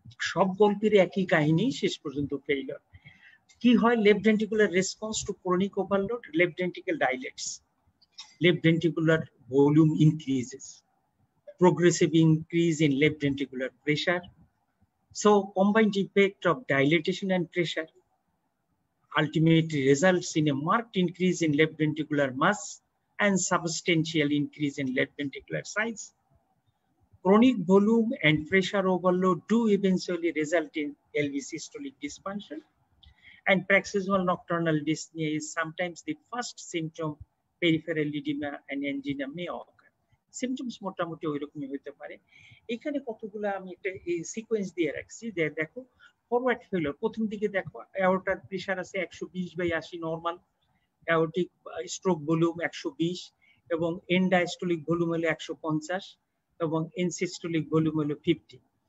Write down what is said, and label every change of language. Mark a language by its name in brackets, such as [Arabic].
[Bangla] সব গল্পের একই কাহিনী, শেষ পর্যন্ত ফেইলর। কি হয়? [English] Left ventricular response to chronic overload, left ventricle dilates, left ventricular volume increases, progressive increase in left ventricular pressure. So combined effect of dilatation and pressure ultimately results in a marked increase in left ventricular mass and substantial increase in left ventricular size. Chronic volume and pressure overload do eventually result in LV systolic dysfunction, and paroxysmal nocturnal dyspnea is sometimes the first symptom. Peripheral edema and angina may occur. [Bangla] Symptoms মোটামুটি ওইরকমই হতে পারে। এখানে কতগুলো আমি একটা এই sequence দিয়ে রাখছি, দেখো ফরওয়ার্ড ফেলোর প্রথম দিকে দেখো অ্যাওর্টার প্রেশার আছে 120/80 নর্মাল, অ্যাওর্টিক স্ট্রোক ভলিউম 120 এবং এন্ড ডায়াস্টোলিক ভলিউম হলো 150 এবং এন্ড সিস্টোলিক ভলিউম হলো 50।